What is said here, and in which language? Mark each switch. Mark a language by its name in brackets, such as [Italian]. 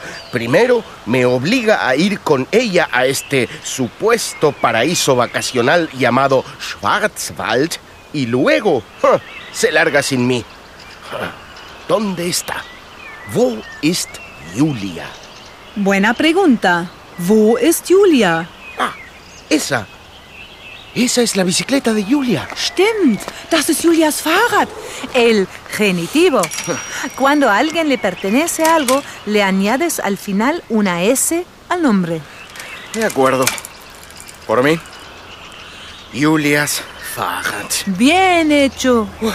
[Spanish] Primero, me obliga a ir con ella a este supuesto paraíso vacacional llamado Schwarzwald. Y luego, se larga sin mí. ¿Dónde está? [German] ¿Wo ist Julia? [Spanish] Buena pregunta. [German] ¿Wo ist Julia? [Spanish] Esa. Esa es la bicicleta de Julia. [German] Stimmt, das ist Julias Fahrrad. [Spanish] El genitivo. Cuando a alguien le pertenece algo, le añades al final una S al nombre. De acuerdo. Por mí, [German] Julias Fahrrad. [Spanish] Bien hecho.